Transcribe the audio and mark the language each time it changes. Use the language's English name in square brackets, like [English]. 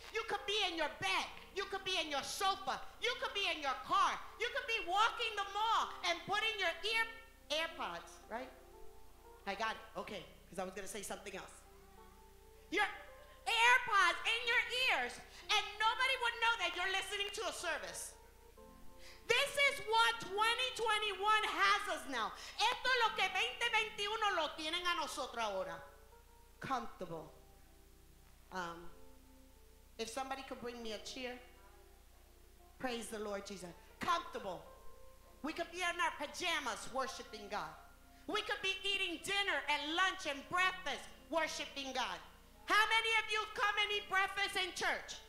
[English] You could be in your bed, you could be in your sofa, you could be in your car, you could be walking the mall and putting your AirPods, right? I got it, okay, because I was going to say something else. Your AirPods in your ears, and nobody would know that you're listening to a service. This is what 2021 has us now. [Spanish] Esto es lo que 2021 lo tienen a nosotros ahora. [English] Comfortable. If somebody could bring me a chair, praise the Lord Jesus. Comfortable. We could be in our pajamas worshiping God. We could be eating dinner and lunch and breakfast worshiping God. How many of you come and eat breakfast in church?